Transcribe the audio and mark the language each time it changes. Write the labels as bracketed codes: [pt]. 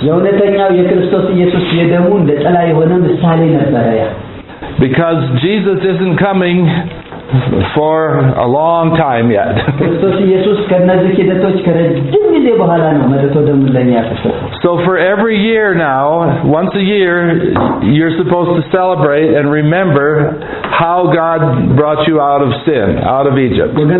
[am] የእውነተኛው የክርስቶስ ኢየሱስ የደሙ እንደ ጸላ የሆነ ምሳሌ ነበር ያ። [en] Because Jesus isn't coming for a long time yet. [am] ክርስቶስ ኢየሱስ ከነዚህ ሂደቶች ከረጅም ጊዜ በኋላ ነው መጥቶ ደሙን ለኛ ያፈሰው። [en] So for every year now, once a year, you're supposed to celebrate and remember how God brought you out of sin, out of Egypt.